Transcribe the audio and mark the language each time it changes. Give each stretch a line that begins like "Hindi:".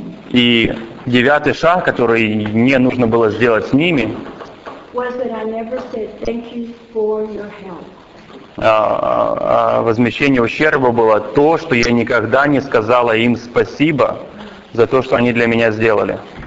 Russian: И 9-й шаг, который мне нужно было сделать с ними.
English: Was that I never said thank you for your help.
Russian: Возмещение ущерба было то, что я никогда не сказала им спасибо за то, что они для меня сделали.